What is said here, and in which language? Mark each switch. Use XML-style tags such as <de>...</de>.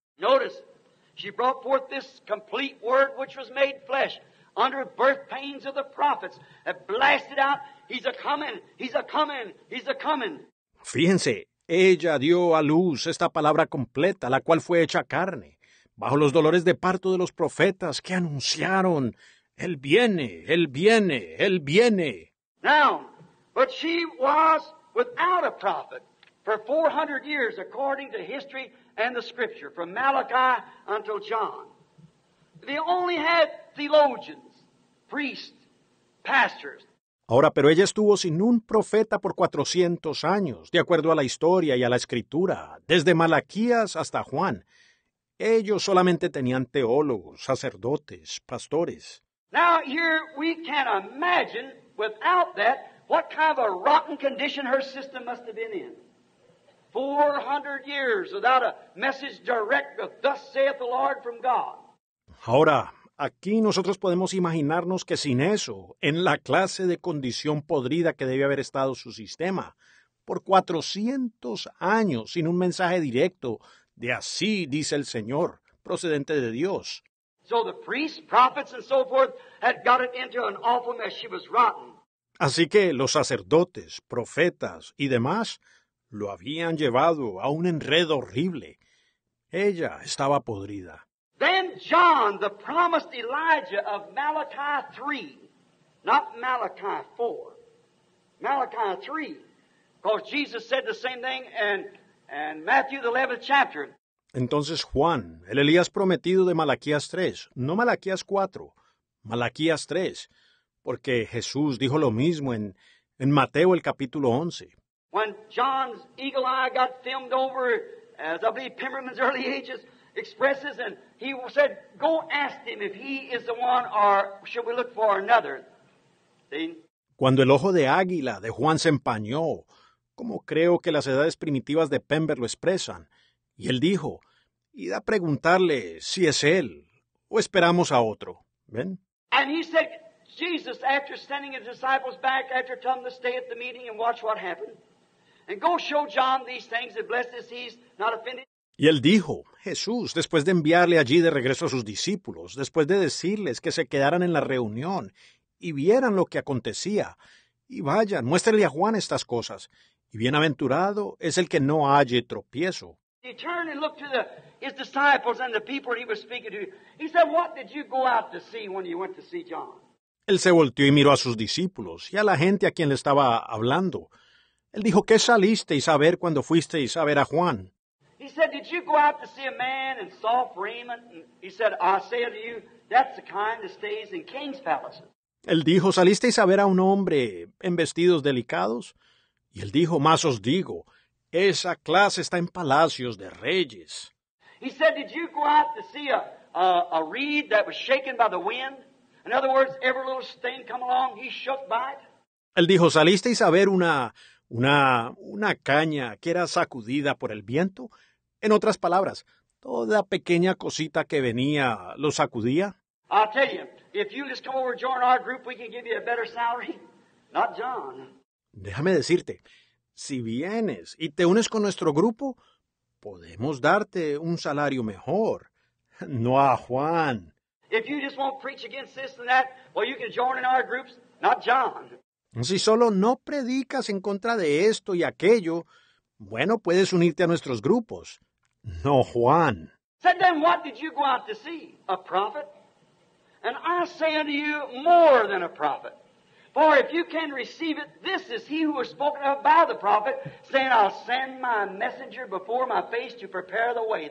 <en>Notice, she brought forth this complete word which was made flesh under the birth pains of the prophets and blasted out, he's a coming, he's a coming, he's a coming.</en> <es>Fíjense, ella dio a luz esta palabra completa, la cual fue hecha carne, bajo los dolores de parto de los profetas que anunciaron, Él viene, Él viene, Él viene.</es> <en>Now, but she was without a prophet for 400 years, according to history and the scripture, from Malachi until John. They only had theologians, priests, pastors.</en> <es>Ahora, pero ella estuvo sin un profeta por 400 años, de acuerdo a la historia y a la escritura, desde Malaquías hasta Juan. Ellos solamente tenían teólogos, sacerdotes, pastores.</es> <en>Now here we can imagine without that what kind of a rotten condition her system must have been in. 400 years without a message direct of thus saith the Lord from God.</en> <es>Ahora, aquí nosotros podemos imaginarnos que sin eso, en la clase de condición podrida que debe haber estado su sistema, por 400 años sin un mensaje directo de así dice el Señor, procedente de Dios.</es> <en>So the priests, prophets and so forth had got it into an awful mess. She was rotten.</en> <es>Así que los sacerdotes, profetas y demás lo habían llevado a un enredo horrible. Ella estaba podrida.</es> <en>Then John, the promised Elijah of Malachi 3, not Malachi 4, Malachi 3, because Jesus said the same thing in Matthew, the 11th chapter.</en> <es>Entonces Juan, el Elías prometido de Malaquías 3, no Malaquías 4, Malaquías 3, porque Jesús dijo lo mismo en Mateo, el capítulo 11.</es> <en>When John's eagle eye got filmed over, as I believe Pimmerman's early ages, expresses, and he said, go ask him if he is the one, or should we look for another?</en> <es>Cuando el ojo de águila de Juan se empañó, como creo que las edades primitivas de Pember lo expresan, y él dijo, id a preguntarle si es él, o esperamos a otro. ¿Ven?</es> <en>And he said, Jesus, after sending his disciples back, after telling them to stay at the meeting and watch what happened, and go show John these things, and blessed is he, not offended.</en> <es>Y él dijo, Jesús, después de enviarle allí de regreso a sus discípulos, después de decirles que se quedaran en la reunión y vieran lo que acontecía, y vayan, muéstrenle a Juan estas cosas, y bienaventurado es el que no halle tropiezo.</es> <en>He turned and looked to his disciples and the people he was speaking to. He said, what did you go out to see when you went to see John?</en> <es>Él se volteó y miró a sus discípulos y a la gente a quien le estaba hablando. Él dijo, ¿qué salisteis a ver cuando fuisteis a ver a Juan?</es> <en>He said, did you go out to see a man in soft raiment? And he said, I say unto you, that's the kind that stays in king's palaces.</en> <es>Él dijo, ¿salisteis a ver a un hombre en vestidos delicados? Y él dijo, más os digo, esa clase está en palacios de reyes.</es> <en>He said, did you go out to see a reed that was shaken by the wind? In other words, every little stain come along, he shook by it.</en> <es>Él dijo, ¿salisteis a ver una caña que era sacudida por el viento? En otras palabras, toda pequeña cosita que venía lo sacudía.</es> <en>I'll tell you, if you just come over and join our group, we can give you a better salary. Not John.</en> <es>Déjame decirte, si vienes y te unes con nuestro grupo, podemos darte un salario mejor. No a Juan.</es> <en>If you just won't preach against this and that, well, you can join in our groups. Not John.</en> <es>Si solo no predicas en contra de esto y aquello, bueno, puedes unirte a nuestros grupos. No, Juan.</es> <en>Said, then what did you go out to see? A prophet? And I say unto you, more than a prophet. For if you can receive it, this is he who was spoken of by the prophet, saying, I'll send my messenger before my face to prepare the way.</en>